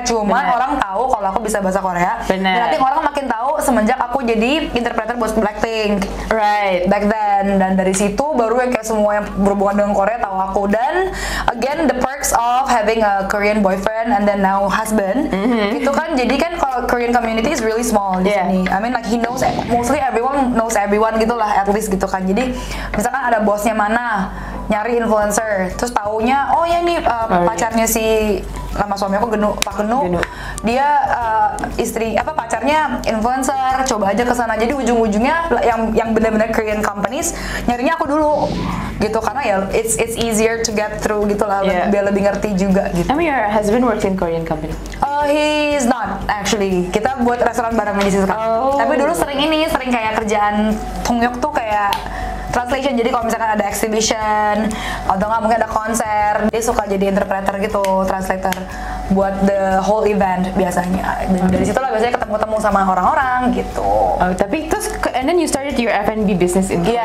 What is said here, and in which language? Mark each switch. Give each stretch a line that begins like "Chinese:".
Indonesian: Cuma orang tahu kalau aku bisa bahasa Korea. Bener. Dan orang makin tahu semenjak aku jadi interpreter buat Blackpink.
English: Right. Back then.
Indonesian: Dan dari situ baru ya kayak semua yang berhubungan dengan Korea tahu aku.
English: Dan again, the perks of having a Korean boyfriend and then now husband.
Indonesian: Itu kan jadi kan kalau
English: Korean community is really small
Indonesian: di sini.
English: I mean like he knows mostly everyone knows everyone
Indonesian: gitulah
English: at least
Indonesian: gitu kan. Jadi misalkan ada bosnya mana nyari influencer terus taunya oh ya nih pacarnya si nama suami aku Pak Genu. Dia pacarnya influencer, coba aja kesana. Jadi ujung-ujungnya yang benar-benar Korean companies nyarinya aku dulu. gitu karena ya
English: it's easier to get through gitulah yeah.
Indonesian: Biar lebih ngerti juga gitu.
English: I mean your husband works in Korean company. He's not actually.
Indonesian: Kita buat restoran bareng di sini sekarang. Oh. Tapi dulu sering ini sering kayak kerjaan Tongyok tuh kayak translation. Jadi kalau misalkan ada exhibition atau nggak mungkin ada konser, dia suka jadi interpreter gitu, translator buat
English: the whole event
Indonesian: biasanya. Dan dari situ lah biasanya ketemu-temu sama orang-orang gitu. Oh, tapi terus
English: and then you started your F&B business in Korea.